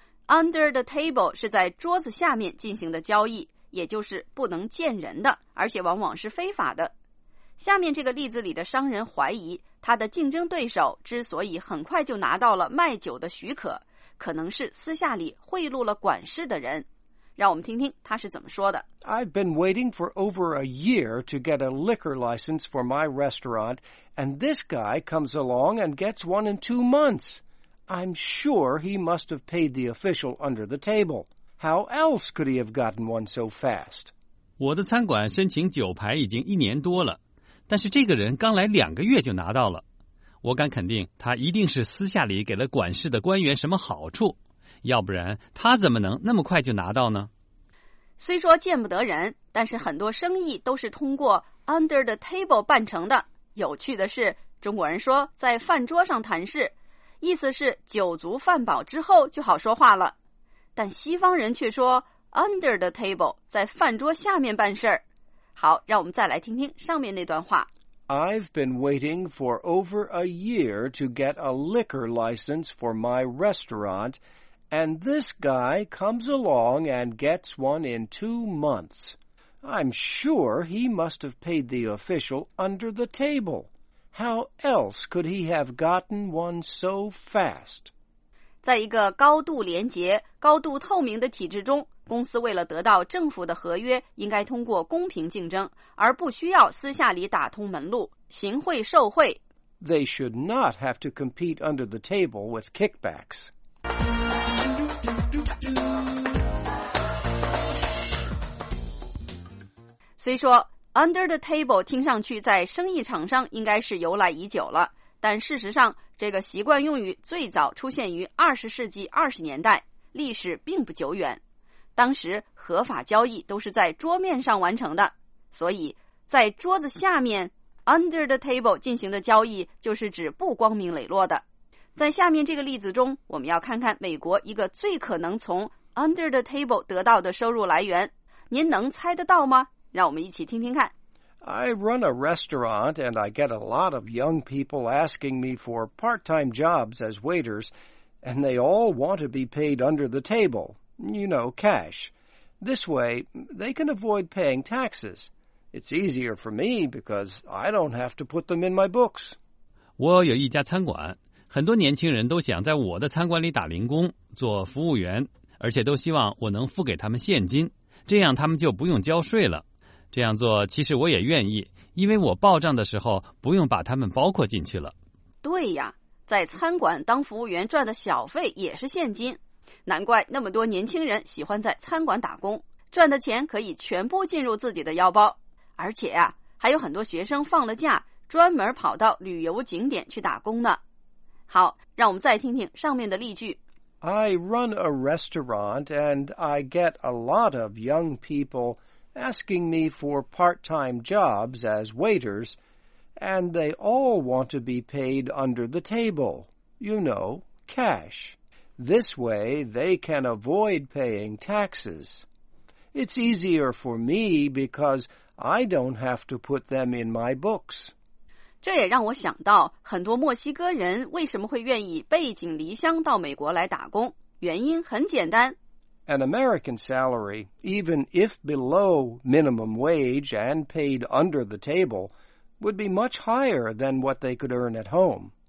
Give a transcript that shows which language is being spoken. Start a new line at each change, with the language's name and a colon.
English: Under the table
Chinese: 是在桌子下面进行的交易，也就是不能见人的，而且往往是非法的。下面这个例子里的商人怀疑他的竞争对手之所以很快就拿到了卖酒的许可，可能是私下里贿赂了管事的人。让我们听听他是怎么说的。
English: I've been waiting for over a year to get a liquor license for my restaurant, and this guy comes along and gets one in 2 months. I'm sure he must have paid the official under the table. How else could he have gotten one so fast?
Chinese: 我的餐馆申请酒牌已经一年多了，但是这个人刚来两个月就拿到了。我敢肯定他一定是私下里给了管事的官员什么好处。要不然他怎么能那么快就拿到呢？虽说见不得人，但是很多生意都是通过
English: under the table
Chinese: 办成的。有趣的是，中国人说在饭桌上谈事，意思是酒足饭饱之后就好说话了。但西方人却说
English: under the table，
Chinese: 在饭桌下面办事。好，让我们再来听听上面那段话。
English: I've been waiting for over a year to get a liquor license for my restaurant, and this guy comes along and gets one in 2 months. I'm sure he must have paid the official under the table. How else could he have gotten one so fast?
Chinese: 在一个高度廉洁、高度透明的体制中，公司为了得到政府的合约，应该通过公平竞争，而不需要私下里打通门路，行贿受贿。
English: They should not have to compete under the table with kickbacks.
Chinese: 虽说
English: under the table
Chinese: 听上去在生意场上应该是由来已久了，但事实上这个习惯用语最早出现于20世纪20年代，历史并不久远。当时合法交易都是在桌面上完成的，所以在桌子下面
English: under the table
Chinese: 进行的交易就是指不光明磊落的。在下面这个例子中，我们要看看美国一个最可能从
English: under the table
Chinese: 得到的收入来源，您能猜得到吗？让我们一起听听看。
English: I run a restaurant and I get a lot of young people asking me for part-time jobs as waiters, and they all want to be paid under the table. You know, cash. This way, they can avoid paying taxes. It's easier for me because I don't have to put them in my books.
Chinese: 我有一家餐馆，很多年轻人都想在我的餐馆里打零工，做服务员，而且都希望我能付给他们现金，这样他们就不用交税了。这样做其实我也愿意，因为我报账的时候不用把他们包括进去了。对呀，在餐馆当服务员赚的小费也是现金。难怪那么多年轻人喜欢在餐馆打工，赚的钱可以全部进入自己的腰包。而且啊，还有很多学生放了假专门跑到旅游景点去打工呢。好，让我们再听听上面的例句。
English: I run a restaurant and I get a lot of young people asking me for part-time jobs as waiters, and they all want to be paid under the table, you know, cash. This way, they can avoid paying taxes. It's easier for me because I don't have to put them in my books.
Chinese: 这也让我想到很多墨西哥人为什么会愿意背井离乡到美国来打工，原因很简单。
English: An American salary, even if below minimum wage and paid under the table, would be much higher than what they could earn at home.